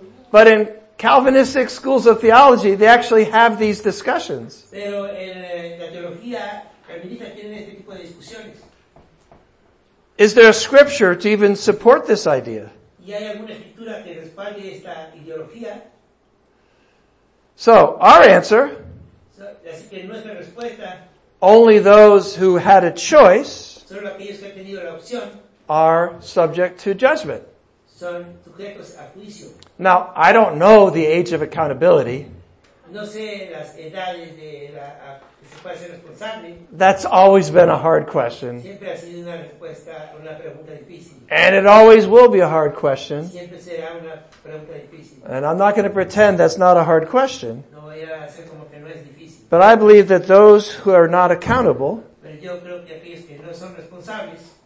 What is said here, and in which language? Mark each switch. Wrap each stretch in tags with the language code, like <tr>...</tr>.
<en>But in Calvinistic schools of theology, they actually have these discussions.</en> <es>Pero en la teología calvinista tienen este tipo de discusiones.</es> <en>Is there a scripture to even support this idea?</en> <es>¿Y hay alguna escritura que respalde esta ideología?</es> <en>So, our answer,</en> <es>así que nuestra respuesta,</es> <en>only those who had a choice,</en> <es>solo aquellos que han tenido la opción,</es> <en>are subject to judgment.</en> <es>Son sujetos a juicio.</es> <en>Now, I don't know the age of accountability.</en> <es>No sé las edades de la, que se puede ser responsable.</es> <en>That's always been a hard question.</en> <es>Siempre ha sido una respuesta, una pregunta difícil.</es> <en>And it always will be a hard question.</en> <es>Siempre será una pregunta difícil.</es> <en>And I'm not going to pretend that's not a hard question.</en> <es>No voy a hacer como que no es difícil.</es> <en>But I believe that those who are not accountable,</en> <es>pero yo creo que aquellos que no son responsables,</es>